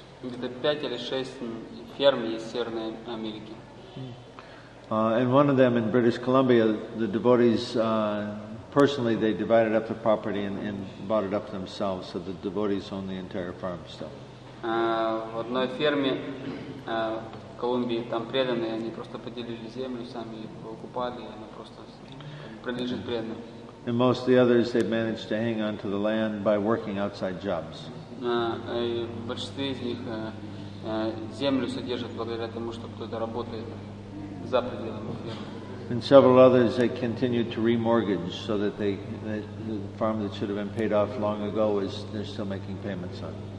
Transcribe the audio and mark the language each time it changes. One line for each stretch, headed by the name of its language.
Russian: Где-то 5 или 6 ферм есть в Северной Америке.
English: And one of them in British Columbia, the devotees personally they divided up the property and bought it up themselves, so the devotees own the entire farm still.
Russian: В одной ферме в Колумбии там преданные, они просто поделили землю сами, покупали, и она просто принадлежит преданным.
English: And most of the others, they've managed to hang on to the land by working outside jobs.
Russian: Большинство из них землю содержат благодаря тому, что кто-то работает за пределами фермы.
English: And several others, they continue to remortgage so that the farm that should have been paid off long ago is they're still making payments on.